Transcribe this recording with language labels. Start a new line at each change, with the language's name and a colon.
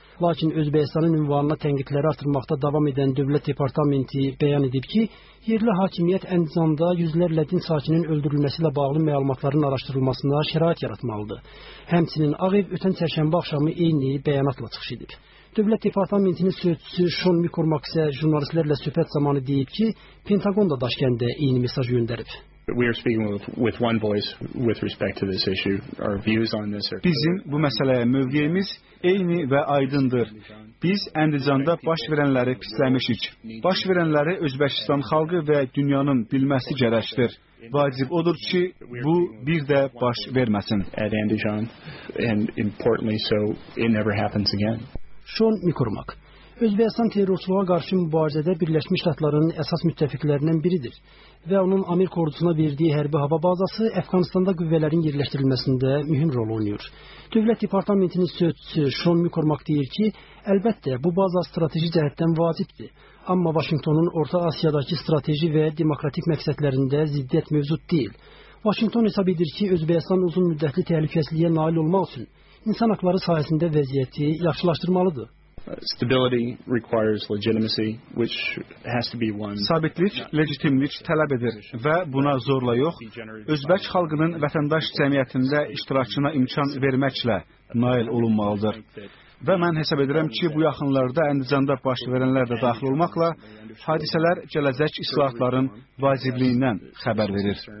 Azerbaijani: Lakin Özbekistanın ünvanına tənqidləri artırmaqda davam edən Dövlət Departamenti bəyan edib ki, yerli hakimiyyət Əndizanda yüzlərlə din sakinin öldürülməsi ilə bağlı məlumatların araşdırılmasına şərait yaratmalıdır. Həmçinin Ağ Ev ötən çərşənbə axşamı eyni bəyanatla çıxış edib. Dövlət Departamentinin sözçüsü Sean McCormack isə jurnalistlərlə söhbət zamanı deyib ki, Pentagon da Daşkəndə eyni mesaj göndərib.
English: We are speaking with one voice with respect to this issue. Our views on this are
Azerbaijani: Bizim bu məsələyə mövqeyimiz eyni və aydındır. Biz Əndizanda baş verənləri pisləmişik. Baş verənləri Özbəkistan xalqı və dünyanın bilməsi gərəkdir. Vacib odur ki, bu bir də baş verməsin.
English: And importantly so it never happens again.
Azerbaijani: Sean McCormack Özbekistan terrorçuluğa qarşı mübarizədə Birləşmiş Ştatların əsas müttəfiqlərindən biridir və onun Amerika ordusuna verdiyi hərbi hava bazası Əfqanistanda qüvvələrin yerləşdirilməsində mühüm rol oynayır. Dövlət Departamentinin sözçüsü Sean McCormack deyir ki, əlbəttə bu baza strateji cəhətdən vacibdir, amma Vaşinqtonun Orta Asiyadakı strateji və demokratik məqsədlərində ziddiyyət mövcud deyil. Vaşinqton hesab edir ki, Özbekistan uzun müddətli təhlükəsizliyə nail olmaq üçün insan haqları sahəsində vəziyyəti yaxşılaşdırmalıdır.
English: Stability requires legitimacy, which has to be one.
Azerbaijani: Sabitlik, legitimlik tələb edir və buna zorla yox, Özbək xalqının vətəndaş cəmiyyətində iştirakına imkan verməklə nail olunmalıdır. Və mən hesab edirəm ki, bu yaxınlarda Əndizanda baş verənlər də daxil olmaqla, hadisələr gələcək islahatların vacibliyindən xəbər verir.